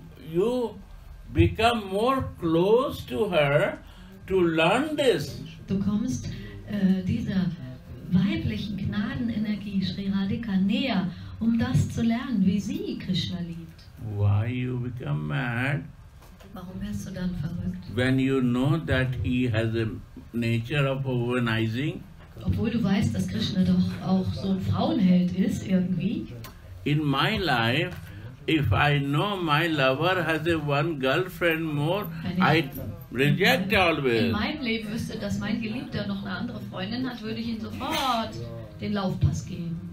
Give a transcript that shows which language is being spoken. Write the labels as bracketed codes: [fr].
[en] You become more close to her to learn this. [de] Du kommst dieser weiblichen Gnadenenergie Sri Radhika näher, um das zu lernen, wie sie Krishna liebt. [en] Why you become mad? [de] Warum wirst du dann verrückt? [en] When you know that he has a nature of womanizing. [de] Obwohl du weißt, dass Krishna doch auch so ein Frauenheld ist irgendwie. [en] In my life, if I know my lover has a one girlfriend more, I reject always. [de] In meinem Leben wüsste, dass mein Geliebter noch eine andere Freundin hat, würde ich ihn sofort den Laufpass geben.